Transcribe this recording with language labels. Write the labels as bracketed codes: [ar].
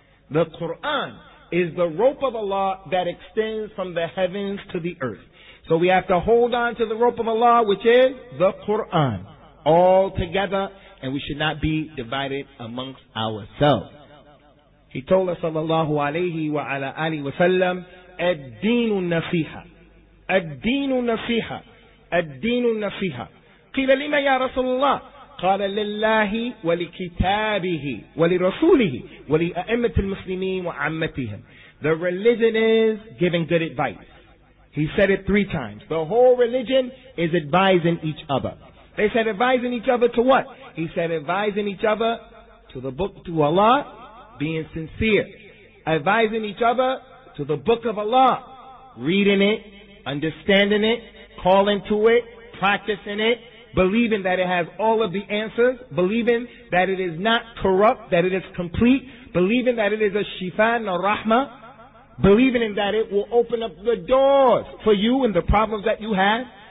[en] The Quran is the rope of Allah that extends from the heavens to the earth. So we have to hold on to the rope of Allah, which is the Quran, all together, and we should not be divided amongst ourselves. He told us, sallallahu alayhi wa ala alihi wa sallam, [ar] الدين النصيحة. الدين النصيحة. الدين النصيحة. قيل لما يا رسول الله؟ قال لله ولكتابه ولرسوله ولأئمة المسلمين وعمتهم. [en] The religion is giving good advice. He said it three times. The whole religion is advising each other. They said advising each other to what? He said advising each other to the book, to Allah, being sincere. Advising each other to the book of Allah, reading it, understanding it, calling to it, practicing it, believing that it has all of the answers, believing that it is not corrupt, that it is complete, believing that it is a shifa and a rahmah, believing in that it will open up the doors for you and the problems that you have.